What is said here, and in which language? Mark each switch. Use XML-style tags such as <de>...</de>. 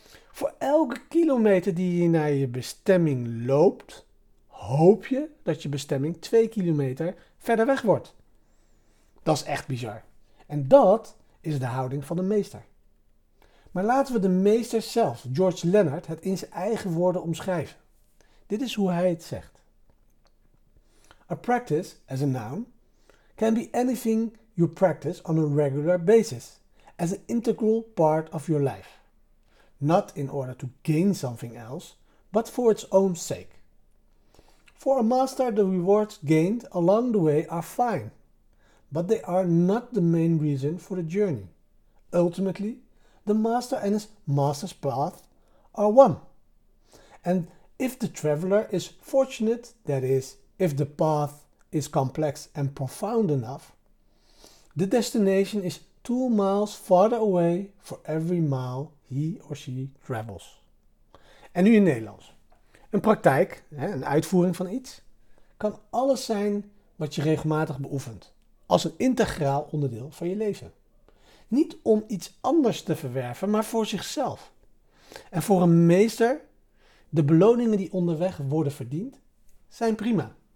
<nl>Voor elke kilometer die je naar je bestemming loopt, hoop je dat je bestemming 2 kilometer verder weg wordt. Dat is echt bizar. En dat is de houding van de meester. Maar laten we de meester zelf, George Leonard, het in zijn eigen woorden omschrijven. Dit is hoe hij het zegt.</nl> <en>A practice, as a noun, can be anything you practice on a regular basis, as an integral part of your life. Not in order to gain something else, but for its own sake. For a master, the rewards gained along the way are fine, but they are not the main reason for the journey. Ultimately, the master and his master's path are one. And if the traveler is fortunate, that is, if the path is complex and profound enough, the destination is 2 miles farther away for every mile he or she travels.</en> <nl>En nu in Nederlands. Een praktijk, een uitvoering van iets, kan alles zijn wat je regelmatig beoefent, als een integraal onderdeel van je leven. Niet om iets anders te verwerven, maar voor zichzelf. En voor een meester, de beloningen die onderweg worden verdiend, zijn prima.</nl>